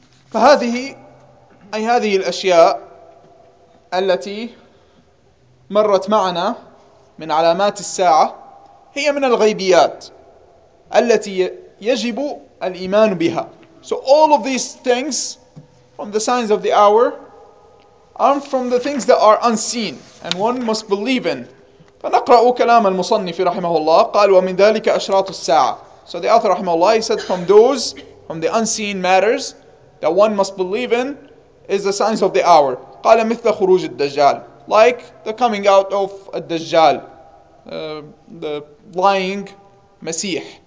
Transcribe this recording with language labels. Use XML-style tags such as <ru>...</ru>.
<ar>فهذه اي هذه الاشياء التي مرت معنا من علامات الساعه هي من الغيبيات التي يجب الايمان بها.</ar> <en>So all of these things from the signs of the hour I'm from the things that are unseen and one must believe in.</en> <ar>فنقرأ كلام المصنف رحمه الله قال ومن ذلك أشراط الساعة.</ar> <en>So the author رحمه الله he said from those from the unseen matters that one must believe in is the signs of the hour.</en> <ar>قال مثل خروج الدجال.</ar> <en>Like the coming out of الدجال. The lying مسيح.</en>